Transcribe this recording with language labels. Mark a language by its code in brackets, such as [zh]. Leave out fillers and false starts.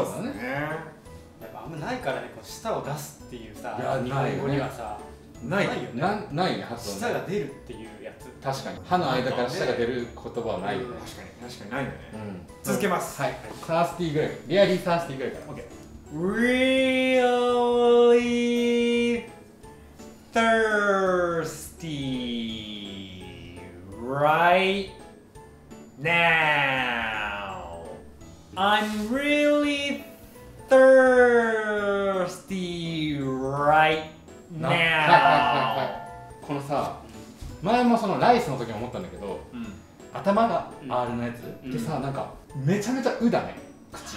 [ja] ね。そうですね。あんまないからね、こう舌を出すっていうさ、いや日本語にはさ、ないよね。ないね、発音。舌が出るっていうやつ。確かに。歯の間から舌が出る言葉はないよね。確かに、確かにないよね、うん。続けます。はい。サースティーぐらい。リアリーサースティーぐらいから。 [en] OK。 Really thirsty right now. I'm really thirsty right now。 [ja] このさ、前もそのライスの時に思ったんだけど、うん、頭が R のやつってさ、うん、なんかめちゃめちゃうだね、口。